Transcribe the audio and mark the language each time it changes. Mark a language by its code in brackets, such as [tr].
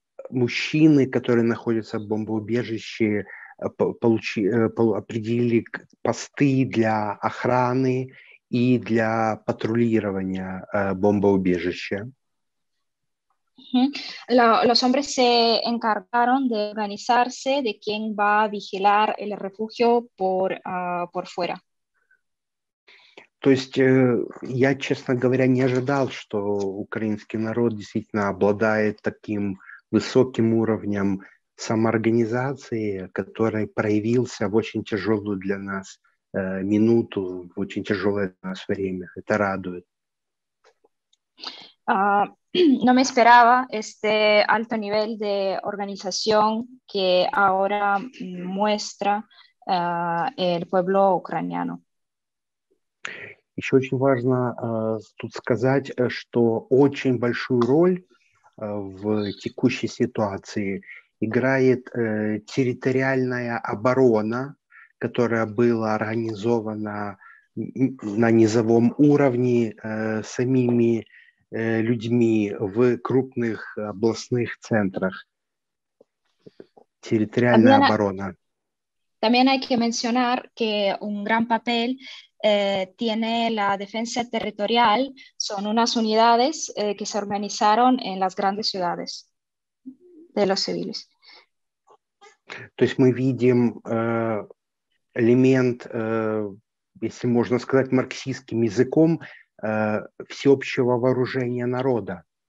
[ru] Мужчины, которые находятся в бомбоубежище, определили посты для охраны и для патрулирования бомбоубежища. [es] Los hombres se encargaron de organizarse de quién va a vigilar el refugio por fuera. [ru] То есть я, честно говоря, не ожидал, что украинский народ действительно обладает таким высоким уровнем самоорганизации, который проявился в очень тяжелую для нас минуту, в очень тяжелое для нас время. Это радует. [es] No me esperaba este alto nivel de organización que ahora muestra el pueblo ucraniano. [ru] Еще очень важно тут сказать, что очень большую роль в текущей ситуации играет территориальная оборона, которая была организована на низовом уровне самими людьми в крупных областных центрах. Территориальная [es] también [ru] оборона. [es] También hay que mencionar que un gran papel tiene la defensa territorial. Son unas unidades que se organizaron en las grandes ciudades de los civiles. [ru] То есть мы видим элемент, если можно сказать марксистским языком, всеобщего вооружения народа.